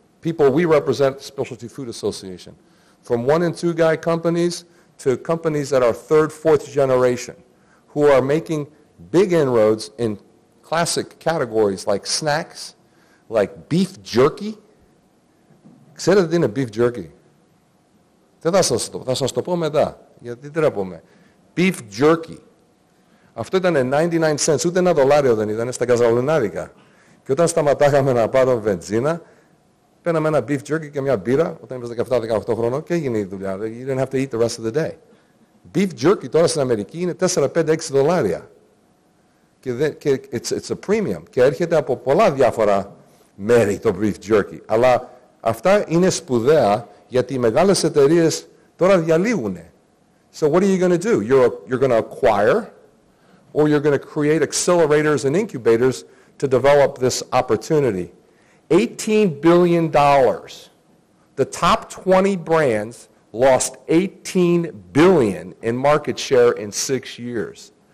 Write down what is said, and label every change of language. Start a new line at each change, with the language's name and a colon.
English: People we represent, the Specialty Food Association. From one and two guy companies to companies that are third, fourth generation who are making big inroads in classic categories like snacks, like beef jerky.
Greek: Ξέρετε τι είναι beef jerky? Θα σας το πω μετά. Γιατί τρέπομαι. Beef jerky. Αυτό ήταν 99 cents. Ούτε ένα δολάριο δεν ήταν στα καζαλουνάδικα. Και όταν σταματάγαμε να πάρω βενζίνα, παίρναμε ένα beef jerky και μια μπύρα όταν είμαι 17-18 χρόνο και έγινε η δουλειά.
English: You didn't have to eat the rest of the day.
Greek: Beef jerky τώρα στην Αμερική είναι 4-5-6 δολάρια. Και
English: it's a premium.
Greek: Και έρχεται από πολλά διάφορα μέρη το beef jerky. Αλλά αυτά είναι σπουδαία γιατί οι μεγάλες εταιρείες τώρα διαλύουν.
English: So what are you going to do? You're going to acquire or you're going to create accelerators and incubators to develop this opportunity. $18 billion. The top 20 brands lost $18 billion in market share in 6 years.